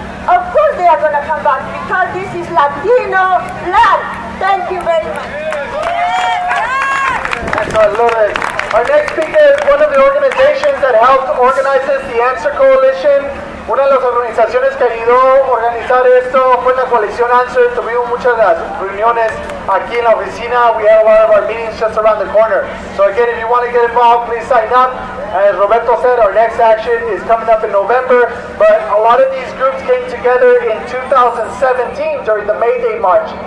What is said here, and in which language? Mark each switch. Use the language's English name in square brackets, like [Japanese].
[English] Of course they are going to come back because this is Latino land. Thank you very much. Yes, I love it. Our next speaker is one of the organizations that helped organize this, the Answer Coalition. [Spanish] Una de las organizaciones que ayudó a organizar esto fue la coalición Answer. Tuvimos muchas de las reuniones aquí en la oficina. [English] We had a lot of our meetings just around the corner. So again, if you want to get involved, please sign up. As Roberto said, our next action is coming up in November. But a lot of these groups came together in 2017 during the May Day March.